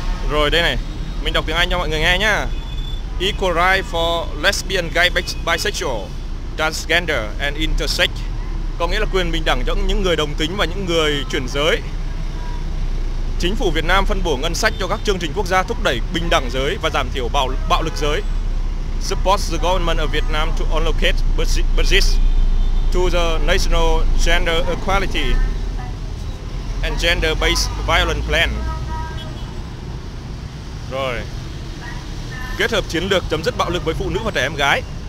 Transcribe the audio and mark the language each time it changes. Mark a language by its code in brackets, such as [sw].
[vi] Rồi đây này, mình đọc tiếng Anh cho mọi người nghe nhá: [en] equal rights for lesbian, gay, bisexual, transgender and intersex. [vi] Có nghĩa là quyền bình đẳng cho những người đồng tính và những người chuyển giới. Chính phủ Việt Nam phân bổ ngân sách cho các chương trình quốc gia thúc đẩy bình đẳng giới và giảm thiểu bạo lực giới. [en] Support the government of Vietnam to allocate budgets to the National Gender Equality and Gender-Based Violence Plan. [vi] Rồi. Kết hợp chiến lược chấm dứt bạo lực với phụ nữ và trẻ em gái.